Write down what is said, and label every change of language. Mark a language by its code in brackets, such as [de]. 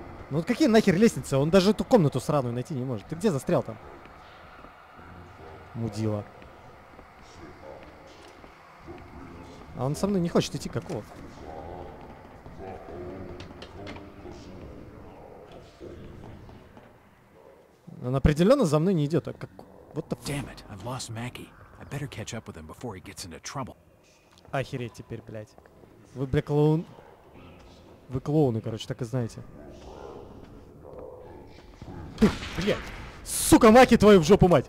[ru] Ну вот какие нахер лестницы? Он даже эту комнату сраную найти не может. Ты где застрял там? Мудила. А он со мной не хочет идти, какого? Он определенно за мной не идет, а как... [en] What the f***? Damn it, I've lost Mackie. I better catch up with him before he gets into trouble. [ru] Охереть теперь, блядь. Вы, блядь, клоун... Вы клоуны, короче, так и знаете. Блядь! Сука, Маки твою в жопу, мать!